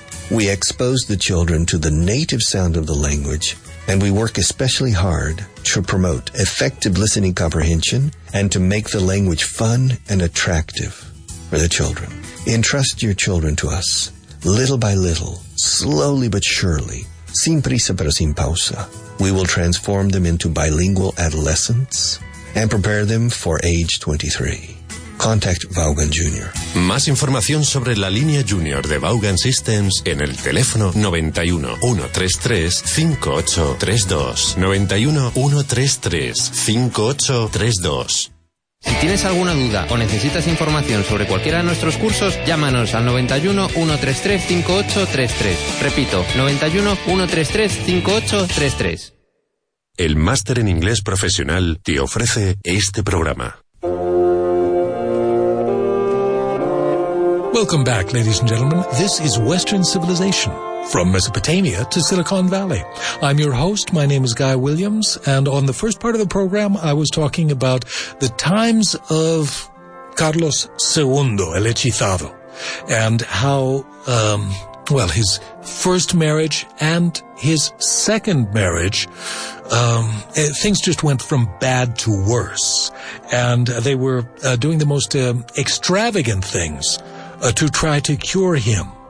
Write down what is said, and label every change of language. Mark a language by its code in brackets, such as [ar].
[en] We expose the children to the native sound of the language, and we work especially hard to promote effective listening comprehension and to make the language fun and attractive for the children. Entrust your children to us, little by little, slowly but surely, [es] sin prisa pero sin pausa. [en] We will transform them into bilingual adolescents and prepare them for age 23. Contact Vaughan Jr. [es] Más información sobre la línea Junior de Vaughan Systems en el teléfono 91-133-5832. 91-133-5832. Si tienes alguna duda o necesitas información sobre cualquiera de nuestros cursos, llámanos al 91-133-5833. Repito, 91-133-5833. El Máster en Inglés Profesional te ofrece este programa. [en] Welcome back, ladies and gentlemen. This is Western Civilization. From Mesopotamia to Silicon Valley. I'm your host, my name is Guy Williams, and on the first part of the program, I was talking about the times of Carlos II, El Hechizado, and how, his first marriage and his second marriage, things just went from bad to worse, and they were doing the most extravagant things to try to cure him.